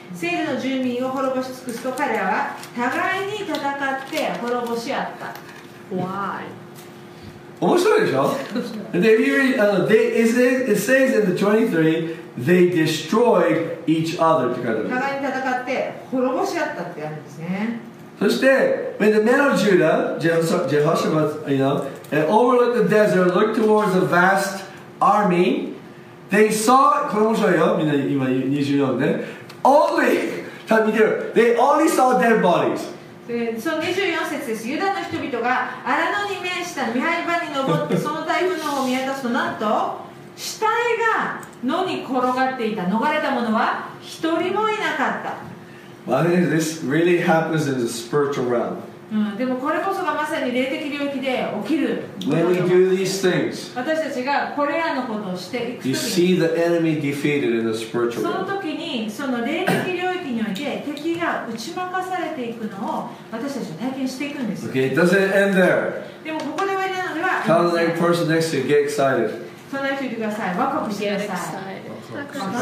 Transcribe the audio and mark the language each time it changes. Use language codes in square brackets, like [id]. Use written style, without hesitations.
[ja] セールの住民を滅ぼし尽くすと彼らは互いに戦って滅ぼし合った。 [en] Why? [ja] 面白いでしょ。で、 [en] it says in the 23 they destroyed each other [ja] って書いてある。互いに戦って滅ぼし合ったってあるんですね。 [en] そして、when the men of Judah, Jehoshaphat, you know, overlooked the desert, looked towards a vast army, they saw, [ja] これ面白いよ、みんな今24で、 [en] only, [ja] 見てる、 [en] they only saw dead bodies. [ja] その24節です。ユダの人々が荒野に面した見張り場に登って、その台風の方を見渡すと、なんと、死体が野に転がっていた、逃れた者は一人もいなかった。 [en] Well, this really happens in the spiritual realm. [ja] でもこれこそがまさに霊的領域で起きる。 [en] When we do these things, [ja] 私たちがこれらのことをしていくとき [en] に、you see the enemy defeated in the spiritual realm. [ja] その時にその霊的領域において敵が打ち負かされていくのを私たちは体験していくんです。 [en] Okay, it doesn't end there. [ja] でもここで終わりなのでは、 [en] tell the next person next to you, get excited. [ja] その人見てください。ワクワクしてください。